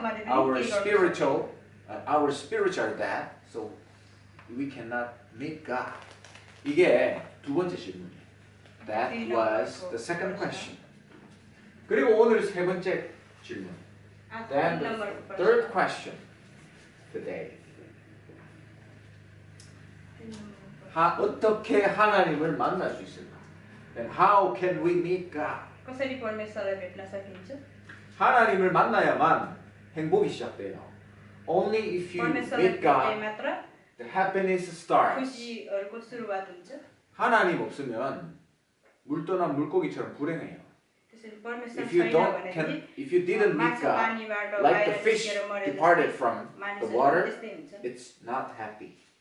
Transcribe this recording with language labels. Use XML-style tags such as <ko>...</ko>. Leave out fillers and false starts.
<en>Our spiritual are dead, so we cannot meet God.</en> <ko>이게 두 번째 질문이에요.</ko> <en>That was the second question.</en> <ko>그리고 오늘 세 번째 질문.</ko> <en>Then the third question today.</en> <ko>어떻게 하나님을 만날 수 있을까?</ko> <en>Then how can we meet God?</en> <ko>그것을 보면서 배우나서 괜찮죠? 하나님을 만나야만 행복이 시작돼요.</ko> <en>Only if you meet God, the happiness starts.</en> <ko>하나님 없으면 물 떠난 물고기처럼 불행해요.</ko> <en>If you didn't meet God, like the fish departed from the water, it's not happy.</en>